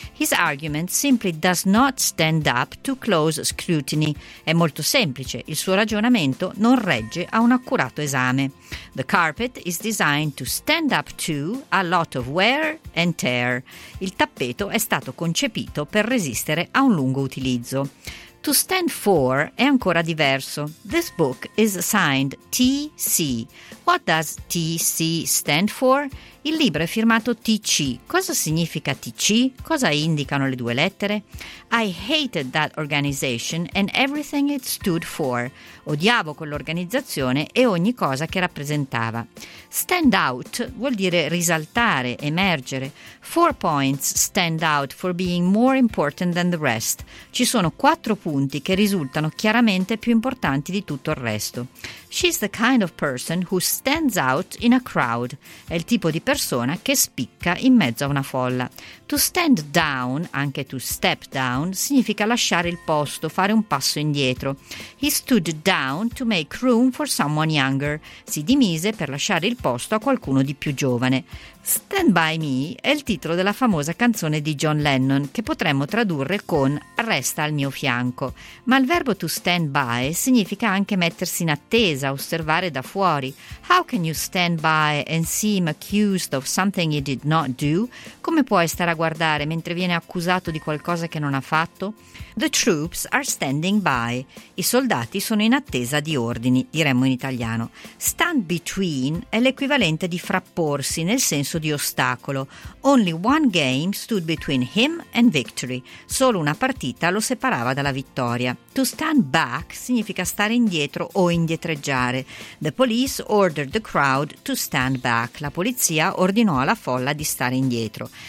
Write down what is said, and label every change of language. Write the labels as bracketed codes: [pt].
[en] His argument simply does not stand up to close scrutiny. [it] È molto semplice, il suo ragionamento non regge a un accurato esame. [en] The carpet is designed to stand up to a lot of wear and tear. [it] Il tappeto è stato concepito per resistere a un lungo utilizzo. [en] To stand for [it] è ancora diverso. [en] This book is signed TC. What does TC stand for? [it] Il libro è firmato TC. Cosa significa TC? Cosa indicano le due lettere? [en] I hated that organization and everything it stood for. [it] Odiavo quell'organizzazione e ogni cosa che rappresentava. Stand out vuol dire risaltare, emergere. [en] 4 points stand out for being more important than the rest. [it] Ci sono 4 punti che risultano chiaramente più importanti di tutto il resto. [en] She's the kind of person who stands out in a crowd. [it] È il tipo di persona che spicca in mezzo a una folla. To stand down, anche to step down, significa lasciare il posto, fare un passo indietro. [en] He stood down to make room for someone younger. [it] Si dimise per lasciare il posto a qualcuno di più giovane. Stand by me è il titolo della famosa canzone di John Lennon, che potremmo tradurre con resta al mio fianco. Ma il verbo to stand by significa anche mettersi in attesa, osservare da fuori. [en] How can you stand by and seem accused of something you did not do? [it] Come puoi stare a guardare mentre viene accusato di qualcosa che non ha fatto? [en] The troops are standing by. [it] I soldati sono in attesa di ordini, diremmo in italiano. Stand between è l'equivalente di frapporsi, nel senso di ostacolo. [en] Only one game stood between him and victory. [it] Solo una partita lo separava dalla vittoria. To stand back significa stare indietro o indietreggiare. [en] The police ordered the crowd to stand back. [it] La polizia ordinò alla folla di stare indietro.